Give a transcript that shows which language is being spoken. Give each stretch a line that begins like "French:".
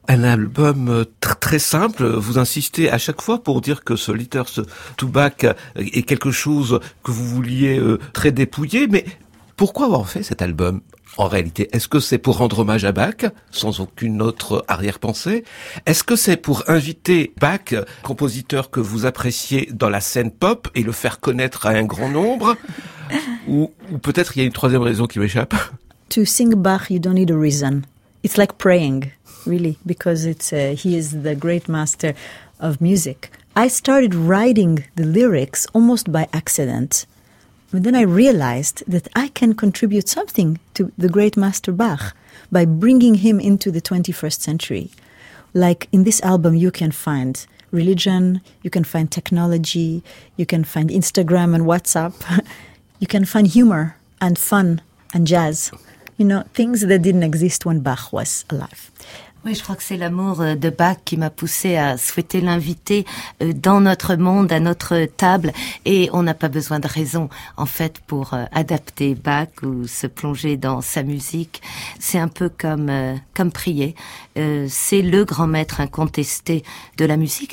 French: Un album très simple, vous insistez à chaque fois pour dire que ce Letters to Bach est quelque chose que vous vouliez très dépouillé, mais pourquoi avoir fait cet album en réalité? Est-ce que c'est pour rendre hommage à Bach, sans aucune autre arrière-pensée? Est-ce que c'est pour inviter Bach, compositeur que vous appréciez dans la scène pop, et le faire connaître à un grand nombre? Ou peut-être il y a une troisième raison qui m'échappe?
English: to sing Bach, you don't need a reason. It's like praying, really, because it's he is the great master of music. I started writing the lyrics almost by accident. But then I realized that I can contribute something to the great master Bach by bringing him into the 21st century. Like in this album, you can find religion, you can find technology, you can find Instagram and WhatsApp, you can find humor and fun and jazz, you know, things that didn't exist when Bach was alive.
French: Oui, je crois que c'est l'amour de Bach qui m'a poussé à souhaiter l'inviter dans notre monde, à notre table. Et on n'a pas besoin de raison, en fait, pour adapter Bach ou se plonger dans sa musique. C'est un peu comme prier. C'est le grand maître incontesté de la musique.